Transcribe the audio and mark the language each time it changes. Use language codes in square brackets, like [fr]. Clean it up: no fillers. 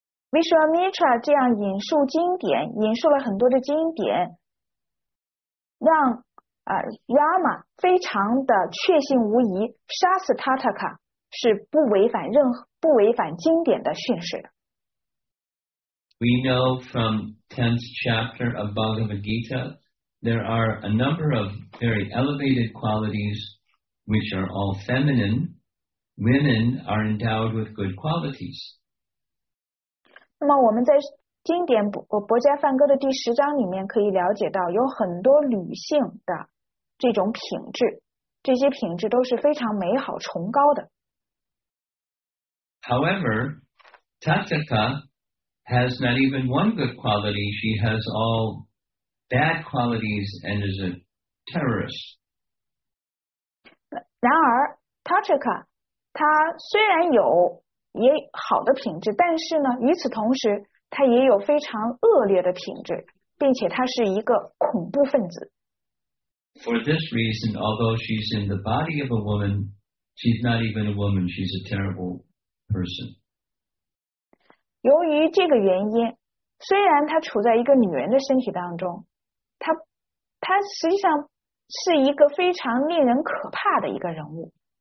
[zh] Vishwamitra 这样引述经典，引述了很多的经典，让Rama 非常的确信无疑，杀死 Tataka 是不违反经典的训示的。 [en] We know from 10th chapter of Bhagavad Gita, there are a number of very elevated qualities which are all feminine. Women are endowed with good qualities. [zh] 那么我们在经典《博伽梵歌》的第十章里面可以了解到有很多女性的这种品质，这些品质都是非常美好崇高的。 [en] However, Tataka has not even one good quality, she has all bad qualities and is a terrorist. [zh] 然而 Tataka 她虽然有也好的品质，但是呢与此同时她也有非常恶劣的品质，并且她是一个恐怖分子。 [en] For this reason, although she's in the body of a woman, she's not even a woman, she's a terrible person. [zh] 由于这个原因，虽然她处在一个女人的身体当中，她实际上是一个非常令人可怕的一个人物。